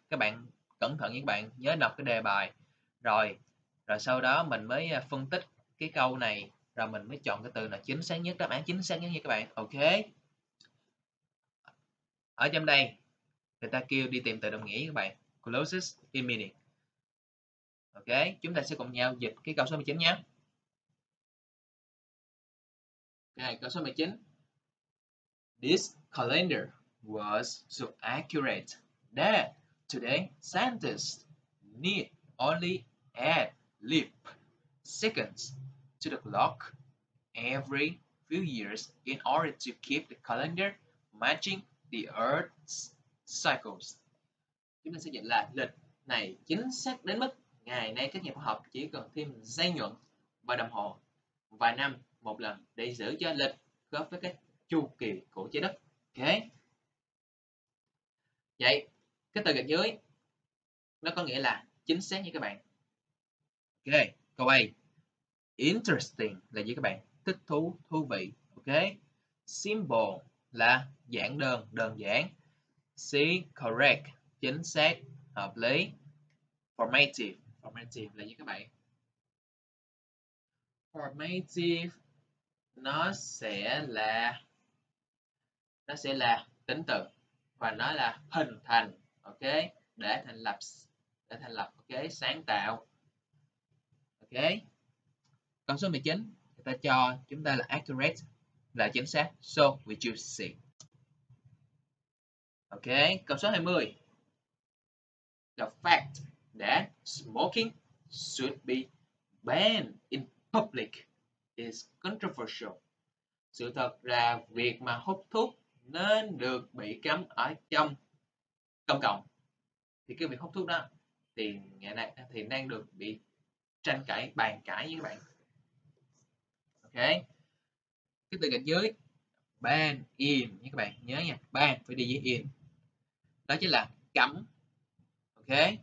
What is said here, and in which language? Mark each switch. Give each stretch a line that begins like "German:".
Vietnamese: Các bạn cẩn thận, các bạn nhớ đọc cái đề bài rồi sau đó mình mới phân tích cái câu này, rồi mình mới chọn cái từ nào chính xác nhất, đáp án chính xác nhất nha các bạn. Ok, ở trong đây người ta kêu đi tìm từ đồng nghĩa các bạn,
English: closest in meaning.
Vietnamese: Ok, chúng ta sẽ cùng nhau dịch cái câu số 19 nhé. Okay, câu số 19.
English: This calendar was so accurate that today scientists need only add leap seconds to the clock every few years in order to keep the calendar matching the Earth's cycles.
Vietnamese: Chúng ta sẽ dịch là lịch này chính xác đến mức ngày nay các nhà khoa học chỉ cần thêm giây nhuận và đồng hồ vài năm một lần để giữ cho lịch khớp với cái chu kỳ của trái đất. Ok, vậy cái từ gạch dưới nó có nghĩa là chính xác nha các bạn. Ok, câu A, interesting là gì các bạn? Thích thú, thú vị. Ok, simple là giản đơn, đơn giản. C, correct, chính xác, hợp lý. Formative, formative là như các bạn, formative nó sẽ là tính từ và nó là hình thành. Ok, để thành lập. Ok, sáng tạo. Ok, câu số 19 người ta cho chúng ta là accurate là chính xác,
English: so we choose C.
Vietnamese: Ok, câu số 20.
English: The fact that smoking should be banned in public is controversial.
Vietnamese: Sự thật là việc mà hút thuốc nên được bị cấm ở trong công cộng, thì cái việc hút thuốc đó thì ngày nay thì đang được bị tranh cãi, bàn cãi như các bạn. Ok, cái từ gạch dưới ban in nha các bạn, nhớ nha, ban phải đi với in, đó chính là cấm. Ok,